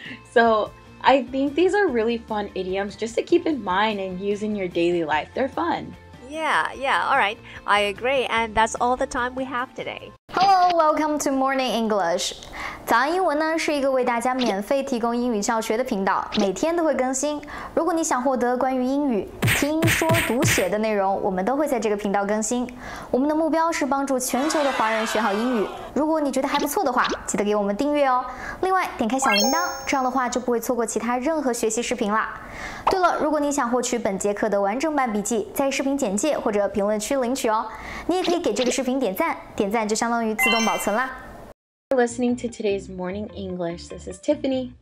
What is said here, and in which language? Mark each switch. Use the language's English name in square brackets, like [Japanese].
[English] So I think these are really fun idioms just to keep in mind and use in your daily life. They're fun. Yeah, yeah. All right. I agree. And that's all the time we have today. Hello, welcome to Morning English. [Chinese] 早安英文呢是一个为大家免费提供英语教学的频道，每天都会更新。如果你想获得关于英语听说读写的内容，我们都会在这个频道更新。我们的目标是帮助全球的华人学好英语。如果你觉得还不错的话，记得给我们订阅哦。另外，点开小铃铛，这样的话就不会错过其他任何学习视频啦。对了，如果你想获取本节课的完整版笔记，在视频简介或者评论区领取哦。你也可以给这个视频点赞，点赞就相当于自动保存啦。 [English] For listening to today's Morning English, this is Tiffany.